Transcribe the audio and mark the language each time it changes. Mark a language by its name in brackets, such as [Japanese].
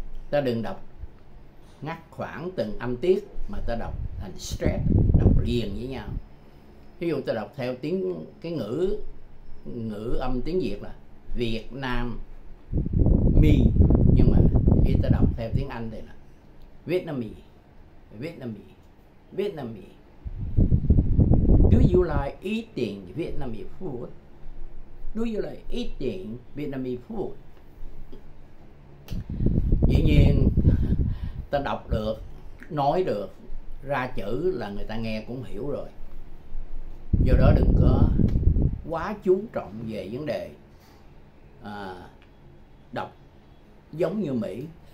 [Vietnamese] Ta đừng đọc ngắt khoảng từng âm tiết mà ta đọc thành stress, đọc liền với nhau. Ví dụ ta đọc theo tiếng cái ngữ ngữ âm tiếng Việt là Vietnamese, nhưng mà khi ta đọc theo tiếng Anh thì là Vietnamese, Vietnamese, Vietnamese. [English] Do you like eating Vietnamese food? Do you like eating Vietnamese food? [Vietnamese] Dĩ nhiên, ta đọc được, nói được, ra chữ là người ta nghe cũng hiểu rồi. Do đó đừng có quá chú trọng về vấn đề đọc giống như Mỹ.